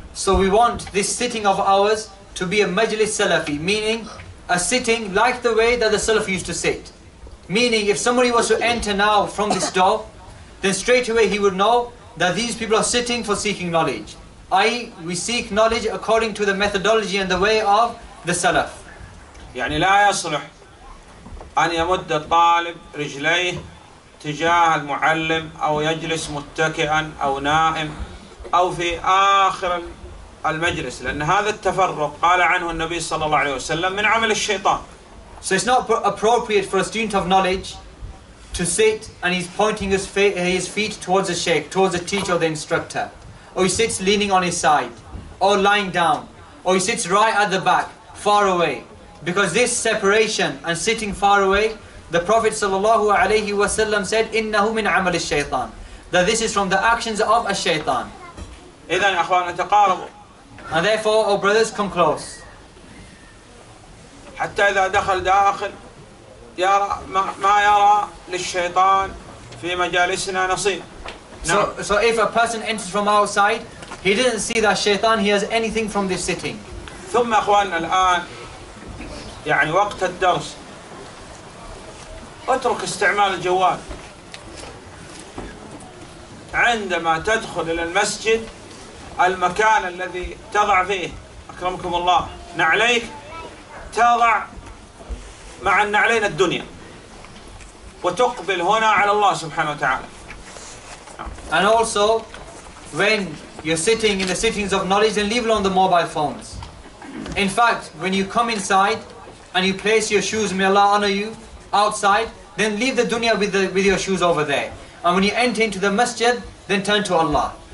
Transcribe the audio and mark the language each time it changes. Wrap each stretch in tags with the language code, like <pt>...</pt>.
<en>So we want this sitting of ours to be a majlis salafi, meaning a sitting like the way that the salaf used to sit. Meaning if somebody was to enter now from this door, then straight away he would know that these people are sitting for seeking knowledge. I.e., we seek knowledge according to the methodology and the way of the Salaf.</en> <ar>يعني لا يصلح أن يمد الطالب رجليه تجاه المعلم أو يجلس متكئا أو نائم أو في آخر المجلس لأن هذا التفرق قال عنه النبي صلى الله عليه وسلم من عمل الشيطان.</ar> <en>So it's not appropriate for a student of knowledge to sit and he's pointing his feet towards the sheikh, towards the teacher or the instructor. Or he sits leaning on his side, or lying down, or he sits right at the back, far away. Because this separation and sitting far away, the Prophet said,</en> <ar>إِنَّهُ مِنْ عَمَلِ الشَّيْطَانِ,</ar> <en>that this is from the actions of a shaitan.</en> <ar>إذن أخوانا تقاربوا.</ar> <en>And therefore, O brothers, come close.</en> <ar>حتى إذا دخل داخل يرى ما يرى للشيطان في مجالسنا نصيب.</ar> <en>So if a person enters from outside, he didn't see that shaitan, he has anything from this sitting.</en> <ar>ثم أخوانا الآن يعني وقت الدرس اترك استعمال الجوال. عندما تدخل إلى المسجد المكان الذي تضع فيه أكرمكم الله نعليك تضع مع النعلين الدنيا وتقبل هنا على الله سبحانه وتعالى.</ar> <en>And also, when you're sitting in the sittings of knowledge, then leave alone the mobile phones. In fact, when you come inside and you place your shoes, may Allah honor you, outside, then leave the dunya with your shoes over there. And when you enter into the masjid, then turn to Allah.</en>